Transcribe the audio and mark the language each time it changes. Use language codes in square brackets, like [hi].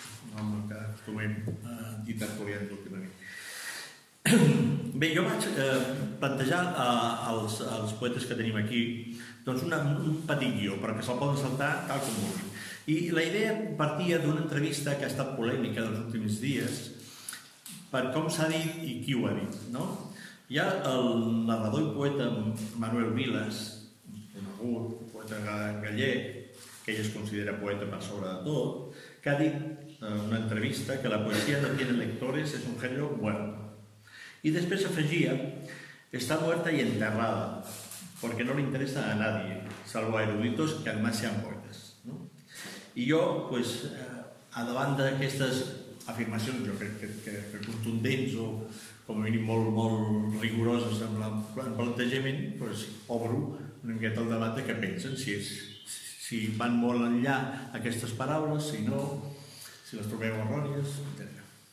[ca] No, amb el que acostumem a dir tertulians últimament. Bé, jo vaig plantejar als poetes que tenim aquí doncs un petit guió, perquè se'l poden saltar tal com vulguin. I la idea partia d'una entrevista que ha estat polèmica dels últims dies per com s'ha dit i qui ho ha dit, no? Hi ha el narrador i poeta Manuel Vilas, conegut, poeta gallec, que ell es considera poeta per sobre de tot, que ha dit en una entrevista que la poesia [es] no tiene lectores, es un género muerto. Y después afegía, está muerta y enterrada, porque no le interesa a nadie, salvo a eruditos que además sean poetas, ¿no? Y yo, pues, [ca] a davant d'aquestes afirmacions, jo crec que contundents o com a mínim molt, molt rigoroses amb el plantejament, doncs obro una miqueta el debat de què pensen, si van molt enllà aquestes paraules, si no, si les trobeu errònies, etc.